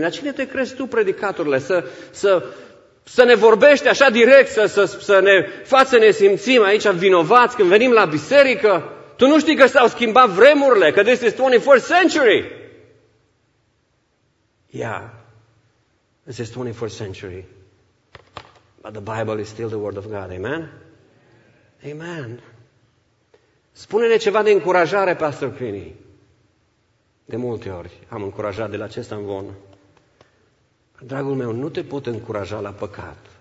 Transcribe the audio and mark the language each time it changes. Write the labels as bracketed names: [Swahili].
[Romanian] Dar cine te crezi tu, predicatorule, să ne vorbești așa direct, să ne faci să ne simțim aici vinovați când venim la biserică? Tu nu știi că s-au schimbat vremurile, că [English] this is 21st century. Yeah. This is 21st century, but the Bible is still the word of God. Amen? Amen. [Romanian] Spune-ne ceva de încurajare, Pastor Crini. De multe ori am încurajat de la acest amvon. Dragul meu, nu te pot încuraja la păcat.